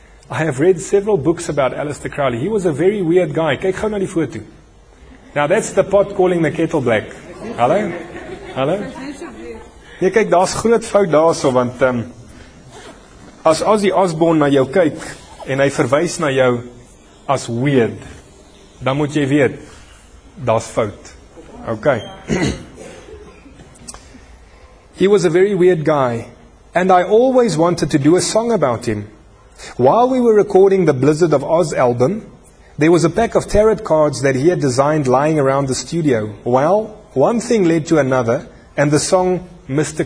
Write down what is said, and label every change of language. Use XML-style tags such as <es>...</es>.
<en>I have read several books about Alistair Crowley. He was a very weird guy.</en> <af>Kyk gou na die foto.</af> <en>Now that's the pot calling the kettle black.</en> <af>Hallo? Hallo? Jy kyk, daar's groot fout daarso, want as Ozzy Osbourne na jou kyk en hy verwys na jou as weird, dan moet jy weet, daar's fout.</af> <en>Okay. He was a very weird guy, and I always wanted to do a song about him. While we were recording the Blizzard of Oz album, there was a pack of tarot cards that he had designed lying around the studio. Well, one thing led to another, and the song Mr.</en>